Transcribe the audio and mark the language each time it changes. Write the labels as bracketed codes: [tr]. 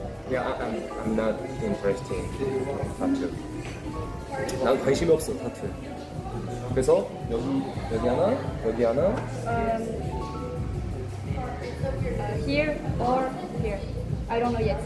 [en] Yeah, I'm not interested in tattoo. [ko] 난 관심이 없어, 타투. 그래서 여기 하나, 여기 하나. [en] Here or here. I don't know yet.